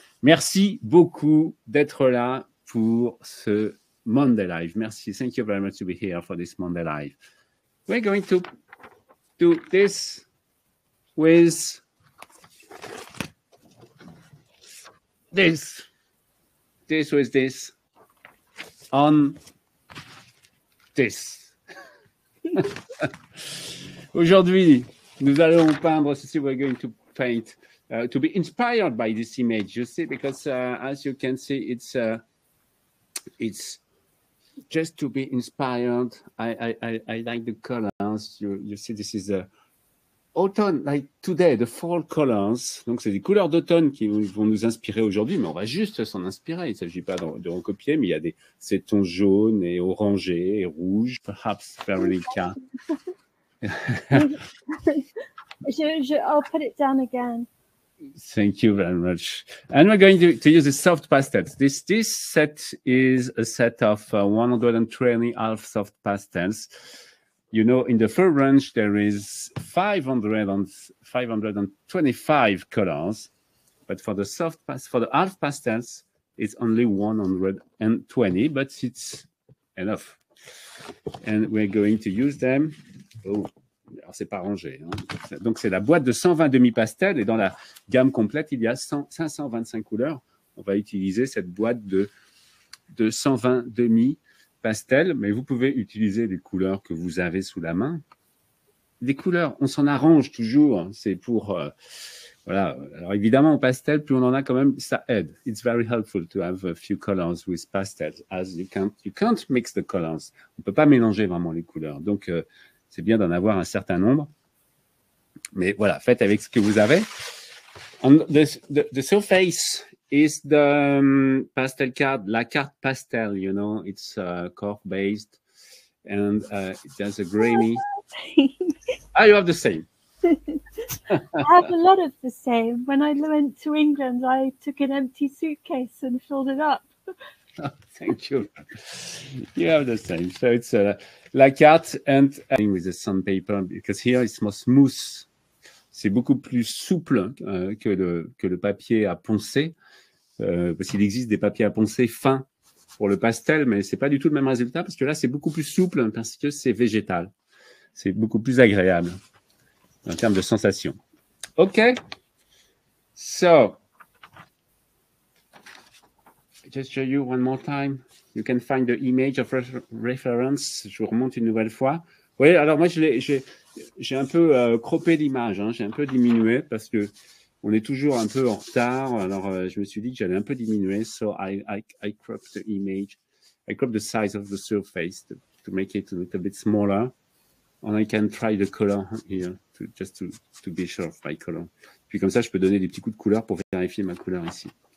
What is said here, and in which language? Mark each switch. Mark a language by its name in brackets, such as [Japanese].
[French] Merci beaucoup d'être là pour ce Monday Live. Merci. [English] Thank you very much to be here for this Monday Live. We're going to do this with this with this on this. [French] Aujourd'hui, nous allons peindre ceci, [English] we're going to paint, to be inspired by this image, you see, because as you can see, it's just to be inspired. I like the colors, you see, this is autumn, like today, the fall colors. [French] Donc, c'est des couleurs d'automne qui vont nous inspirer aujourd'hui, mais on va juste s'en inspirer. Il ne s'agit pas de recopier, mais il y a ces tons jaunes et orangés et rouges, perhaps Veronica. [English] I'll put it down again. Thank you very much. And we're going to use a soft pastels. This set is a set of 120 half soft pastels. You know, in the fur range, there is 525 colors. But for the soft for the half pastels, it's only 120, but it's enough. And we're going to use them. Oh. [French] Alors, c'est pas rangé. Hein. Donc, c'est la boîte de 120 demi-pastels et dans la gamme complète, il y a 525 couleurs. On va utiliser cette boîte de 120 demi-pastels, mais vous pouvez utiliser les couleurs que vous avez sous la main. Les couleurs, on s'en arrange toujours. C'est pour... voilà. Alors, évidemment, au pastel, plus on en a quand même, ça aide. It's very helpful to have a few colors with pastels, as you can't mix the colors. On ne peut pas mélanger vraiment les couleurs. Donc, c'est bien d'en avoir un certain nombre. Mais voilà, faites avec ce que vous avez. [English] And the surface is the pastel card, [French] la carte pastel, [English] you know. It's cork-based and it has a grainy. Ah, you have the same. I have a lot of the same. When I went to England, I took an empty suitcase and filled it up. Oh, thank you. You have the same. So it's la carte and with the sandpaper because here it's more smooth. [French] C'est beaucoup plus souple que le papier à poncer. parce qu'il existe des papiers à poncer fins pour le pastel, mais c'est pas du tout le même résultat parce que là, c'est beaucoup plus souple parce que c'est végétal. C'est beaucoup plus agréable en termes de sensation. [English] OK. So, just show you one more time. You can find the image of reference. [French] Je vous remonte une nouvelle fois. Oui, alors moi, j'ai un peu croppé l'image. Hein. J'ai un peu diminué parce que on est toujours un peu en retard. Alors, je me suis dit que j'allais un peu diminuer. [English] So, I cropped the image. I cropped the size of the surface to make it a little bit smaller. And I can try the color here, just to be sure of my color. [French] Puis comme ça, je peux donner des petits coups de couleur pour vérifier ma couleur ici.